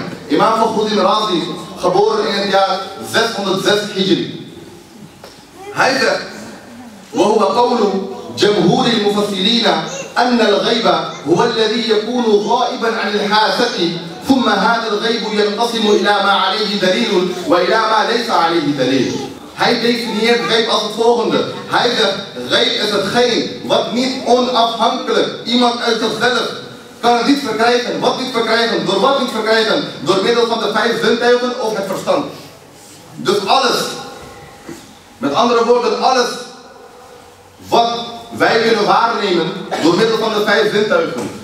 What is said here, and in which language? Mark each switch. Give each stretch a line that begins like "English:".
Dutch: Imam Fakhruddin Razi, geboren in het jaar 606 Hijri. Hij zegt,
Arabic: وهو قول جمهور المفسرين أن الغيب هو الذي يكون غائبا عن الحاسة ثم هذا الغيب ينقسم إلى ما عليه دليل وإلى ما ليس عليه دليل.
Dutch: Hij definieert ghaib als het volgende. Hij zegt, ghaib is hetgeen wat niet onafhankelijk, iemand uit zichzelf kan niet verkrijgen. Wat niet verkrijgen? Door wat niet verkrijgen? Door middel van de vijf zintuigen of het verstand. Dus alles, met andere woorden, alles wat wij kunnen waarnemen door middel van de vijf zintuigen.